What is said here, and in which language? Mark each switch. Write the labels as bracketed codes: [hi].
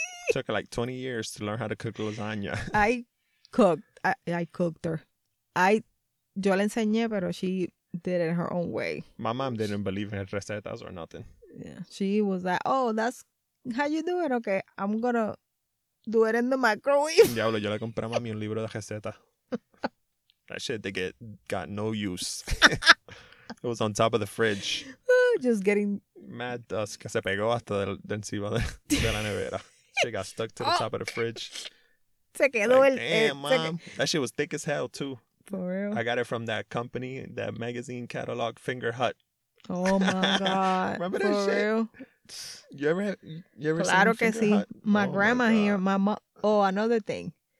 [en] Took her like 20 years to learn how to cook lasagna. I cooked her. [es] Yo la enseñé, pero [en] she did it her own way. My mom didn't believe in her recetas or nothing. Yeah. She was like, oh, that's how you do it? Okay, I'm going to do it in the microwave. [es] Diablo, yo le compré a mami un libro de recetas. [en] That shit, they get got no use. It was on top of the fridge. Just getting... mad dust [es] que se pegó hasta de encima de la nevera. [en] She got stuck to the top of the fridge. [es] Se quedó [en] like, [es] el... [en] Damn, mom. That shit was thick as hell, too. For real? I got it from that company, that magazine catalog, Finger Hut. Oh, my God. Remember that For shit? Real? You ever [es] claro [en] seen Finger Hut? [es] Claro que sí. [en] My grandma here, my mom... Oh, another thing.